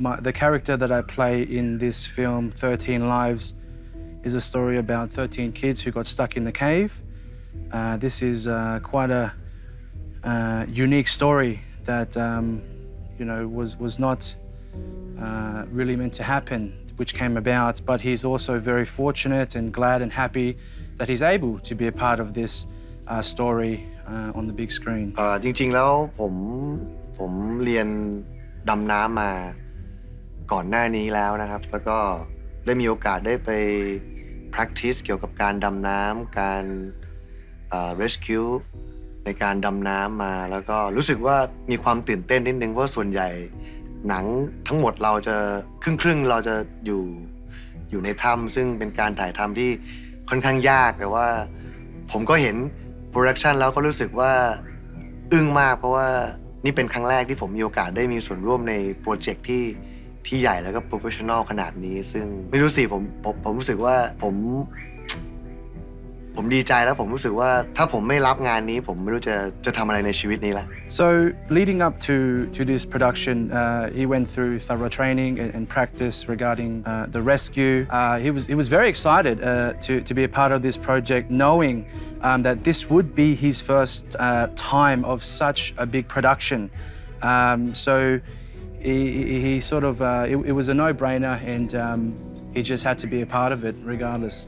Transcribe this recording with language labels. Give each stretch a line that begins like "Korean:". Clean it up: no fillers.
English: the character that I play in this film 13 Lives is a story about 13 kids who got stuck in the cave this is quite a unique story that you know was not really meant to happenwhich came about, but he's also very fortunate and glad and happy that he's able to be a part of this story on the big screen.
Thai: จริงๆแล้วผมเรียนดำน้ำมาก่อนหน้านี้แล้วนะครับแล้วก็ได้มีโอกาสได้ไป practice เกี่ยวกับการดำน้ำการ rescue ในการดำน้ำมาแล้วก็รู้สึกว่ามีความตื่นเต้นนิดนึงเพราะส่วนใหญ่หนังทั้งหมดเราจะครึ่งๆเราจะ อยู่ในถ้ำซึ่งเป็นการถ่ายทำที่ค่อนข้างยากแต่ว่าผมก็เห็นโปรดักชันแล้วก็รู้สึกว่าอึ้งมากเพราะว่านี่เป็นครั้งแรกที่ผมมีโอกาสได้มีส่วนร่วมในโปรเจกต์ที่ใหญ่แล้วก็โปรเฟสชันนอลขนาดนี้ซึ่งไม่รู้สิผมรู้สึกว่าผมดีใจแล้วผมรู้สึกว่าถ้าผมไม่รับงานนี้ผมไม่รู้จะทำอะไรในชีวิตนี้ละ
English: So leading up to this production he went through thorough training and practice regarding the rescue he was very excited to be a part of this project knowing that this would be his first time of such a big production so he sort of it was a no brainer and he just had to be a part of it regardless